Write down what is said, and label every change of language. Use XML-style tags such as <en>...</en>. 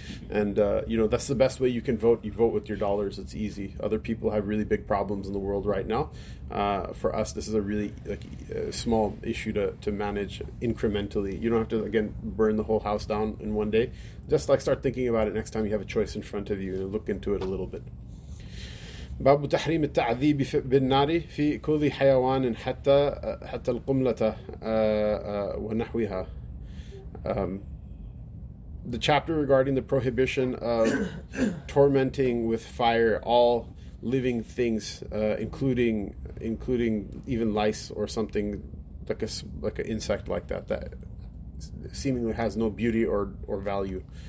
<en>And, you know, that's the best way you can vote. You vote with your dollars. It's easy. Other people have really big problems in the world right now. For us, this is a really small issue to manage incrementally. You don't have to, again, burn the whole house down in one day. Just, like, start thinking about it next time you have a choice in front of you and look into it a little bit.</en> <ar>باب تحريم التعذيب بالنار في كل حيوان حتى القملة ونحوها.</ar> <en>The chapter regarding the prohibition of tormenting with fire all living things, including even lice or something like an insect like that seemingly has no beauty or value.</en>